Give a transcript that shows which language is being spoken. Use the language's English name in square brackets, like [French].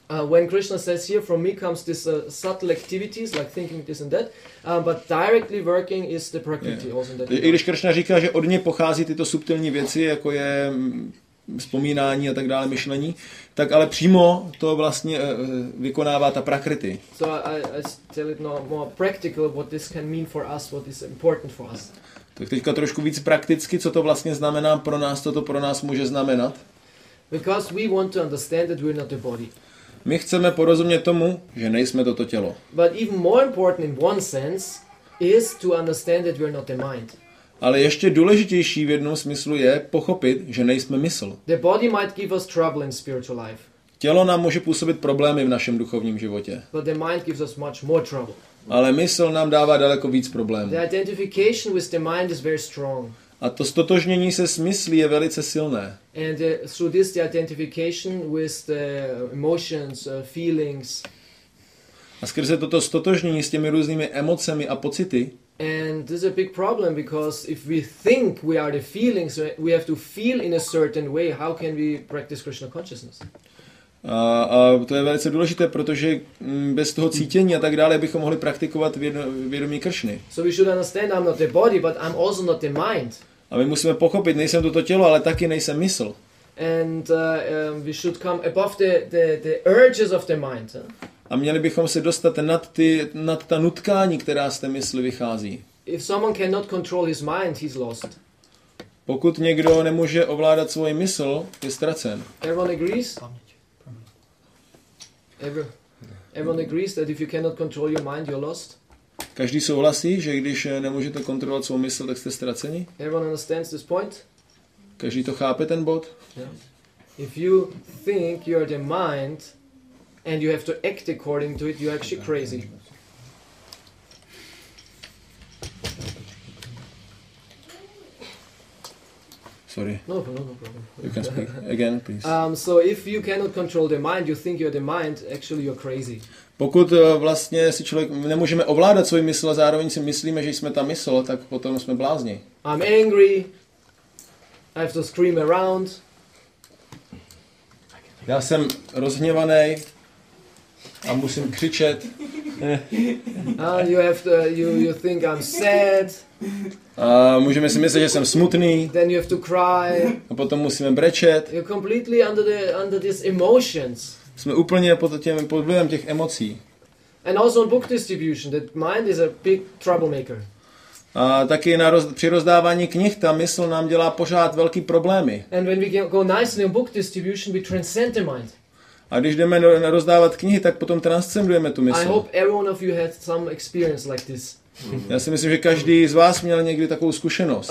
[English] When Krishna says here, from me comes this subtle activities, like thinking this and that, but directly working is the Prakriti also in that. [Czech] I když Krishna říká, že od něj pochází tyto subtilní věci, jako je vzpomínání a tak dále, myšlení, tak ale přímo to vlastně vykonává ta Prakriti. [English] So I tell it more practical what this can mean for us, what is important for us. [Czech] Tak teďka trošku víc prakticky, co to vlastně znamená pro nás, co to pro nás může znamenat. [English] Because we want to understand that we're not the body. [Czech] My chceme porozumět tomu, že nejsme toto tělo. [English] But even more important in one sense is to understand that we're not the mind. [Czech] Ale ještě důležitější v jednom smyslu je pochopit, že nejsme mysl. [English] The body might give us trouble in spiritual life. [Czech] Tělo nám může působit problémy v našem duchovním životě. [English] But the mind gives us much more trouble. [Czech] Ale mysl nám dává daleko víc problémů. [English] The identification with the mind is very strong. [Czech] A to ztotožnění se s myslí je velice silné. [English] And through this, the identification with the emotions, feelings. [Czech] A skrze toto ztotožnění s těmi různými emocemi a pocity. [English] And this is a big problem because if we think we are the feelings, we have to feel in a certain way. How can we practice Krishna consciousness? [Czech] A to je velice důležité, protože bez toho cítění a tak dále bychom mohli praktikovat vědomí Kršny. [English] So we should understand I'm not the body, but I'm also not the mind. [Czech] A my musíme pochopit, nejsem toto tělo, ale taky nejsem mysl. [English] And we should come above the urges of the mind. [Czech] A měli bychom se dostat nad ta nutkání, která z té mysli vychází. [English] If someone cannot control his mind, he's lost. [Czech] Pokud někdo nemůže ovládat svoji mysl, je ztracen. [English] Everyone agrees? Everyone agrees that if you cannot control your mind, you're lost. [Czech] Každý souhlasí, že když nemůžete kontrolovat svou mysl, tak jste ztraceni. [English] Everyone understands this point. [Czech] Každý to chápe ten bod. [English] Yeah. If you think you're the mind and you have to act according to it, you're actually crazy. Sorry. No problem. You can speak again, please. So if you cannot control the mind, you think you're the mind, actually you're crazy. [Czech] Pokud vlastně si člověk nemůžeme ovládat svůj mysl a zároveň si myslíme, že jsme ta mysl, tak potom jsme blázni. [English] I'm angry. I have to scream around. [Czech] Já jsem rozhněvaný a musím křičet. [English] you think I'm sad. [Czech] A můžeme si myslet, že jsem smutný. [English] Then you have to cry. [Czech] A potom musíme brečet. [English] You're completely under these emotions. [Czech] Jsme úplně pod vlivem těch emocí. [English] And also on book distribution, that mind is a big troublemaker. [Czech] A taky při rozdávání knih ta mysl nám dělá pořád velký problémy. [English] And when we go nicely on book distribution, we transcend the mind. [Czech] A když jdeme rozdávat knihy, tak potom transcendujeme tu mysl. [English] I hope everyone of you had some experience like this. [Czech] Já si myslím, že každý z vás měl někdy takovou zkušenost.